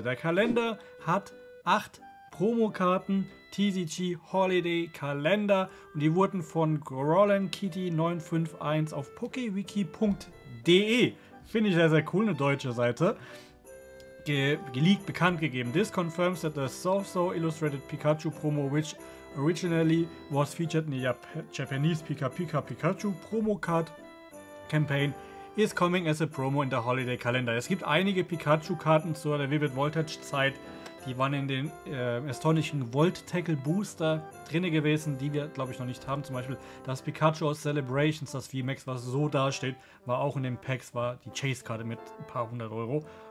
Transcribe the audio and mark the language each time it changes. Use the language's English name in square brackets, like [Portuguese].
[German] Der Kalender hat 8 Promokarten. TCG Holiday Kalender und die wurden von GrolandKitty951 auf pokewiki.de, finde ich sehr, sehr cool, eine deutsche Seite, geleakt, bekannt gegeben. [English] This confirms that the So-So Illustrated Pikachu Promo, which originally was featured in the Japanese Pika Pika Pikachu Promo Card Campaign, is coming as a promo in the Holiday Kalender. [German] Es gibt einige Pikachu-Karten zu der Vivid Voltage-Zeit. Die waren in den astonishing Volt Tackle Booster drin gewesen, die wir, glaube ich, noch nicht haben. Zum Beispiel das Pikachu aus Celebrations, das VMAX, was so dasteht, war auch in den Packs, war die Chase-Karte mit ein paar hundert Euro.